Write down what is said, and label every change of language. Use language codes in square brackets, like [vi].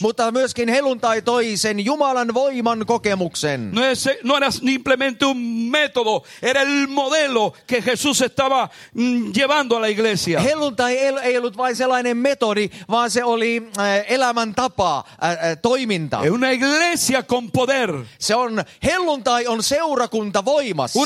[fi] Mutta myöskin helluntai toi sen Jumalan voiman kokemuksen. [es] No era simplemente un método, era el modelo que Jesús estaba llevando a la iglesia. [fi] Helluntai ei ollut vain sellainen metodi, vaan se oli elämäntapa, toiminta. [es] Una iglesia con poder. [fi] Se on helluntai on seurakunta voimassa.